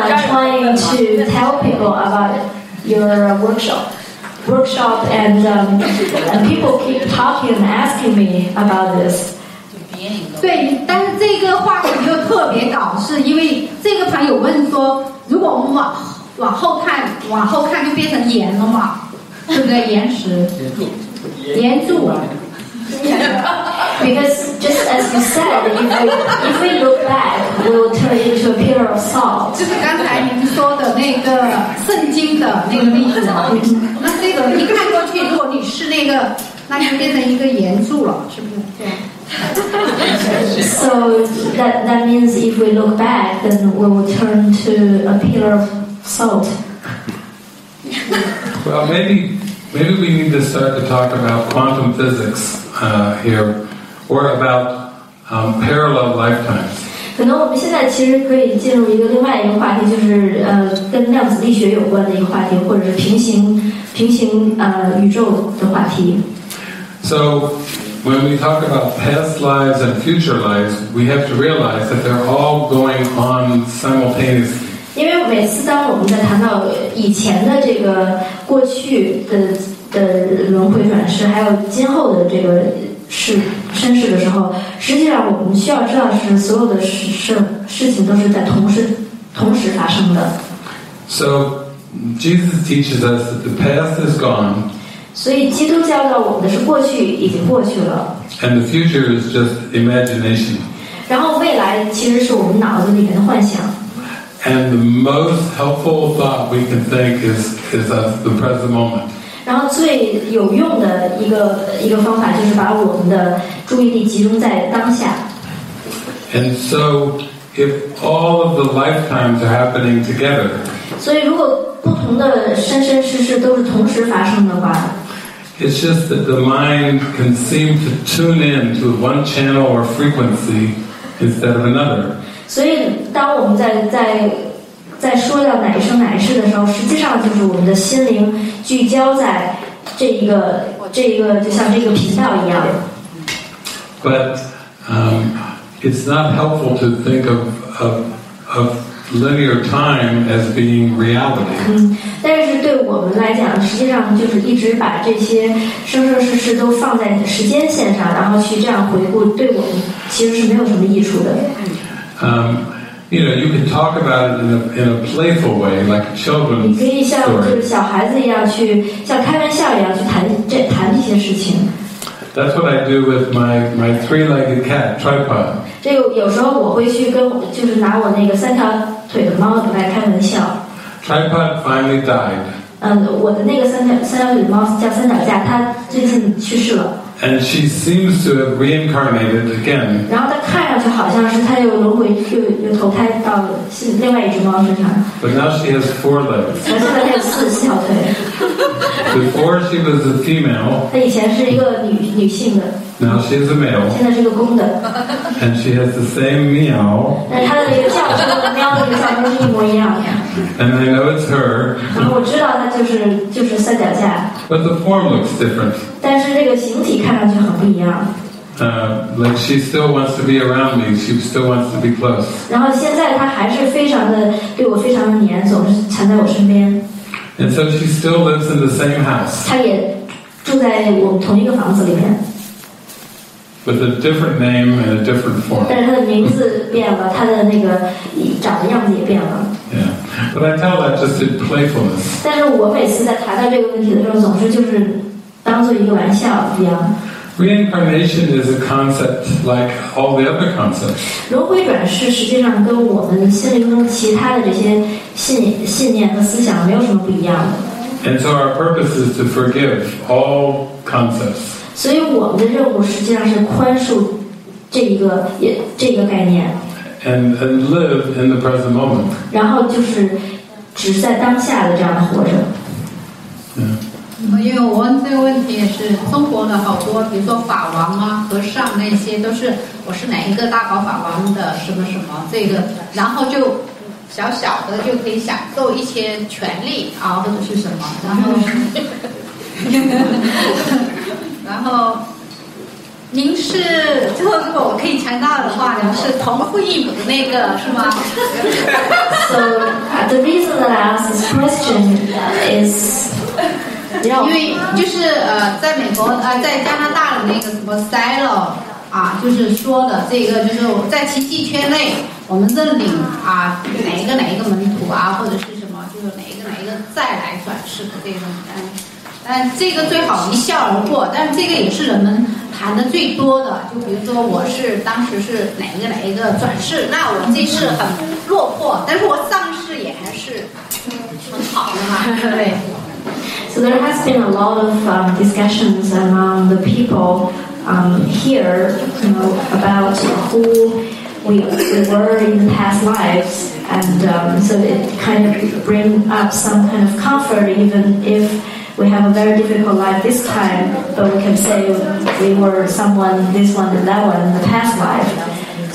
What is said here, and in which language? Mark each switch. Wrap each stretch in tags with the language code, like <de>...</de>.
<en>Trying to tell people about your workshop, and people keep talking and asking me about this.</en> <zh>对，但是这个话题就特别搞，是因为这个朋友问说，如果我们往后看就变成岩了嘛，对不对？岩石、岩柱、</zh> <en>Because just as you said, if we look back, we will turn into a pillar of salt.</en> <zh>就是刚才您说的那个圣经的那个例子，那这个一看过去，如果你是那个，那就变成一个岩柱了，是不是？对。</zh> <en>So that means if we look back, then we will turn to a pillar of salt. Well, maybe we need to start to talk about quantum physics. Here, or about parallel lifetimes.</en> <zh>可能我们现在其实可以进入一个另外一个话题，就是跟量子力学有关的一个话题，或者是平行宇宙的话题。</zh> <en>So when we talk about past lives and future lives, we have to realize that they're all going on simultaneously.</en> <zh>因为每次当我们在谈到以前的这个过去的轮回转世，还有今后的这个身世的时候，实际上我们需要知道是所有的事情都是在同时发生的。</zh> <en>So Jesus teaches us that the past is gone.</en> <zh>所以基督教导我们的是过去已经过去了。</zh> <en>And the future is just imagination.</en> <zh>然后未来其实是我们脑子里面的幻想。</zh> <en>And the most helpful thought we can think is of the present moment.</en> <zh>然后最有用的一个方法就是把我们的注意力集中在当下。</zh> <en>And so, if all of the lifetimes are happening together,</en> <zh>所以如果不同的生生世世都是同时发生的话，</zh> <en>it's just that the mind can seem to tune in to one channel or frequency instead of another.</en> <zh>所以当我们在说到哪一生哪一世的时候，实际上就是我们的心灵聚焦在这一个就像这个频道一样。</zh> <en>But it's not helpful to think of linear time as being reality.</en> <zh>但是对我们来讲，实际上就是一直把这些生生世世都放在时间线上，然后去这样回顾，对我们其实是没有什么益处的。</zh> <en>You know, you can talk about it in a playful way, like a children's story.</en> <zh>你可以像就是小孩子一样去像开玩笑一样去谈这谈这些事情。</zh> <en>That's what I do with my three-legged cat tripod.</en> <zh>这个有时候我会去跟就是拿我那个三条腿的猫来开玩笑。</zh> <en>Tripod finally died.</en> <zh>我的那个三条腿的猫叫三脚架，它最近去世了。</zh> <en>And she seems to have reincarnated again.</en> <zh>然后她看上去好像是她又轮回又投胎到了另外一只猫身上。</zh> <en>But now she has four legs.</en> <zh>她现在有四条腿。</zh> <en>Before she was a female.</en> <zh>她以前是一个女性的。</zh> <en>Now she is a male.</en> <zh>现在是个公的。</zh> <en>And she has the same meow.</en> <zh>但她的一个叫声和喵的一个叫声是一模一样的。</zh> <en>And I know it's her.</en> <zh>然后我知道她就是三脚架。</zh> <en>But the form looks different.</en> <zh>但是这个形体看上去很不一样。</zh> <en>Like she still wants to be around me. She still wants to be close.</en> <zh>然后现在她还是非常的对我非常的黏，总是缠在我身边。</zh> <en>And so she still lives in the same house.</en> <zh>她也住在我们同一个房子里面。</zh> <en>With a different name and a different form.</en> <zh>但是她的名字变了，她的那个长的样子也变了。</zh> <en>Yeah, but I tell that just in playfulness.</en> <zh>但是我每次在谈到这个问题的时候，总是就是当做一个玩笑一样。</zh> <en>Reincarnation is a concept like all the other concepts.</en> <zh>轮回转世实际上跟我们心灵中其他的这些信念和思想没有什么不一样的。</zh> <en>And so our purpose is to forgive all concepts.</en> <zh>所以我们的任务实际上是宽恕这个概念。</zh> <en>And live in the present moment.</en> <zh>然后就是只在当下的这样的活着。</zh> <en>Yeah.</en> <zh>因为我问这个问题也是中国的好多，比如说法王啊、和尚那些，都是我是哪一个大宝法王的什么什么这个，然后就小小的就可以享受一些权利啊，或者是什么，然后。您是就如果我可以强大的话，您是同父异母那个是吗？</zh> <en>So the reason that I ask this question is,</en> <zh>因为就是在美国在加拿大的那个什么 Silo 啊，就是说的这个就是在奇迹圈内，我们认领啊哪一个门徒啊，或者是什么，就是哪一个再来转世的这种。但这个最好一笑而过，但是这个也是人们谈的最多的，就比如说我是当时是哪一个转世，那我这是很落魄，但是我上世也还是很好的嘛，对。</zh> <en>So there has been a lot of discussions among the people here, you know, about who we were in the past lives, and so it kind of bring up some kind of comfort even if we have a very difficult life this time, but we can say we were someone, this one and that one, in the past life.</en>